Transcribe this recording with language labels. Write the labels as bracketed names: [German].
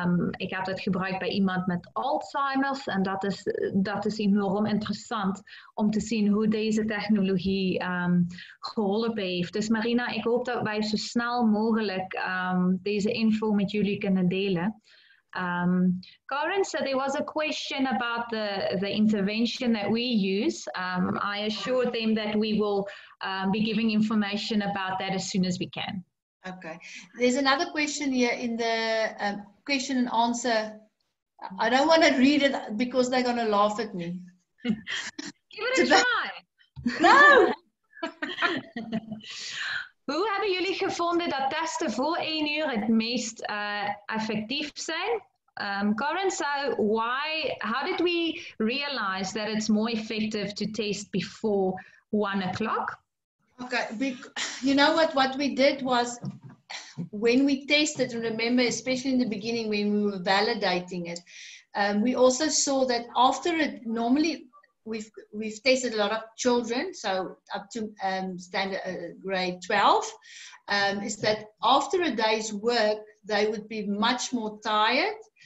[Dutch] Ik heb dat gebruikt bij iemand met Alzheimer's. En dat is enorm interessant om te zien hoe deze technologie geholpen heeft. Dus Marina, ik hoop dat wij zo snel mogelijk deze info met jullie kunnen delen. [English] Karen, so there was a question about the intervention that we use. I assured them that we will be giving information about that as soon as we can. Okay. There's another question here in the question and answer. I don't want to read it because they're going to laugh at me. Give it a try. No! [Dutch] Hoe hebben jullie gevonden dat testen voor 1 uur het meest effectief zijn? [English] Karen, so how did we realize that it's more effective to test before 1 o'clock? Okay, you know what we did was, when we tested, remember, especially in the beginning when we were validating it, we also saw that after it, normally we've tested a lot of children, so up to standard grade 12, is that after a day's work, they would be much more tired.